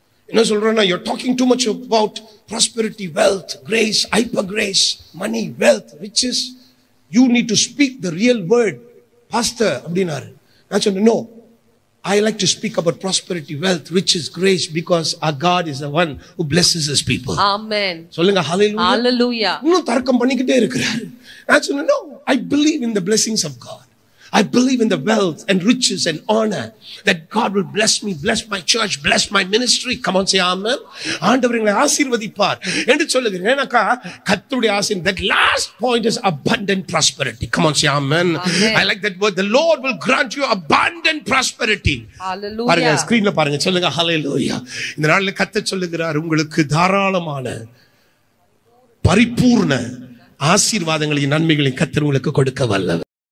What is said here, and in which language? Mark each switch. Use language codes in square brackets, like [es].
[ta] என்ன சொல்றேன்னா, [en] you are talking too much about prosperity, wealth, grace, hyper grace, money, wealth, riches, you need to speak the real word pastor [ta] அப்படின்னாரு. நான் சொன்னேன், [en] No, I like to speak about prosperity, wealth, riches, grace, because our God is the one who blesses his people. [ta] ஆமென். சொல்லுங்க ஹல்லேலூயா, ஹல்லேலூயா. இன்னும் தர்க்கம் பண்ணிக்கிட்டே இருக்கிறார். நான் சொன்னேன், [en] No, I believe in the blessings of God. I believe in the wealth and riches and honor that God will bless me, bless my church, bless my ministry. Come on, say amen. [ta] ஆண்டவரே ஆசீர்வதிப்பார் என்று சொல்லுகிறேன். ஏனக்கா கர்த்தருடைய ஆசீர், [en] that last point is abundant prosperity. Come on, say amen. I like that word. The Lord will grant you abundant prosperity. Hallelujah. [ta] பாருங்க ஸ்கிரீன்ல பாருங்க, சொல்லுங்க hallelujah. இந்த நாள்ல கர்த்தர் சொல்லுகிறார், உங்களுக்கு தாராளமான பரிபூர்ண ஆசீர்வாதங்களையும் நன்மைகளையும் கர்த்தர் உங்களுக்கு கொடுக்க வல்லவர்.